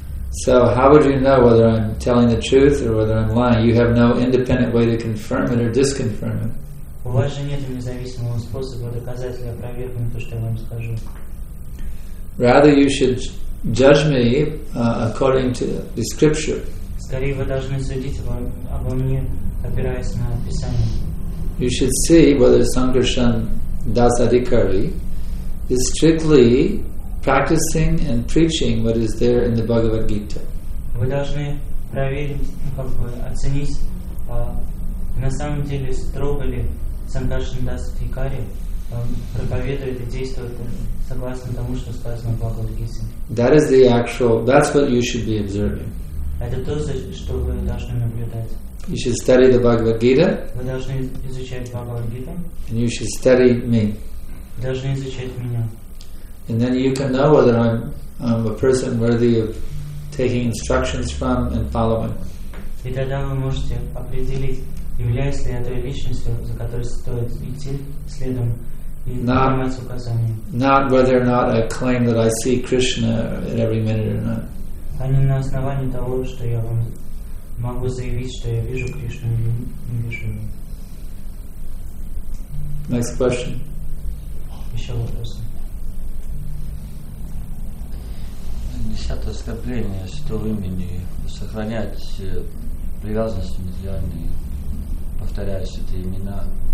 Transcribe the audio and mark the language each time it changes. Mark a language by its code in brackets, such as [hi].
[en] So how would you know whether I'm telling the truth or whether I'm lying? You have no independent way to confirm it or disconfirm it. [ru] У вас же нет независимого способа доказать или опровергнуть то, что я вам скажу. [en] Rather you should judge me according to the scripture. [ru] Скорее вы должны судить обо мне, опираясь на Писание. [en] You should see whether Sankarshan Das Adhikari is strictly practicing and preaching what is there in the Bhagavad Gita. [ru] Вы должны проверить, как бы оценить, на самом деле строго ли Sankarshan Das Adhikari проповедует и действует согласно тому, что сказано в Bhagavad Gita. [en] That is the actual. That's what you should be observing. [ru] Это то, что вы должны наблюдать. [en] You should study the Bhagavad Gita. [ru] Вы должны изучать Bhagavad Gita. [en] And you should study me. [ru] Вы должны изучать меня. [en] And then you can know whether I'm a person worthy of taking instructions from and following. [ru] И тогда вы можете определить, являюсь ли я той личностью, за которой стоит идти следом и принимать указания. [en] Not whether or not I claim that I see Krishna at every minute or not. [ru] А не на основании того, что я вам могу заявить, что я вижу Кришну или не вижу. [en] Next question. [ru] Еще вопрос. Десятое скопление святого имени. Сохранять привязанность материальной, повторяя святые имена.